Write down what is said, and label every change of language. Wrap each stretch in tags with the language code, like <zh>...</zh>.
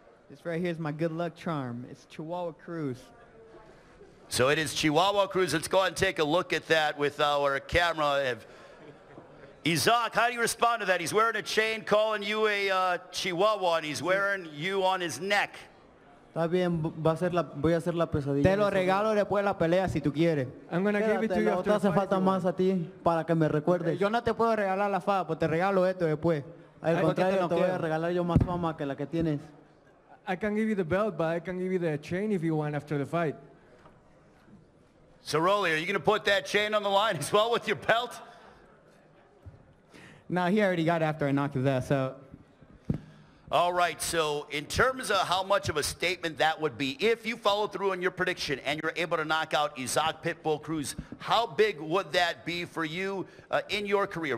<en>This right here is my good luck charm. It's Chihuahua Cruz. So it is Chihuahua Cruz. Let's go ahead and take a look at that with our camera. Isaac, how do you respond to that? He's wearing a chain calling you a Chihuahua, and he's wearing you on his neck.</en> <es>Está bien, va a ser la, voy a hacer la pesadilla. Te lo regalo después de la pelea si tú quieres.</es> <en>I'm gonna</en> <es>quédate,</es> <en>give it to you after.</en> <es>Te hace falta más a ti para que me recuerdes. Yo no te puedo regalar la fama, pues te regalo esto después. Al contrario, te voy a regalar yo más fama que la que tienes.</es> <en>I can give you the belt, but I can give you the chain if you want after the fight. Cerrone, are you gonna put that chain on the line as well with your belt? Nah, he already got it after I knocked his ass out. All right, so in terms of how much of a statement that would be, if you follow through on your prediction and you're able to knock out Isaac Pitbull Cruz, how big would that be for you in your career?</en>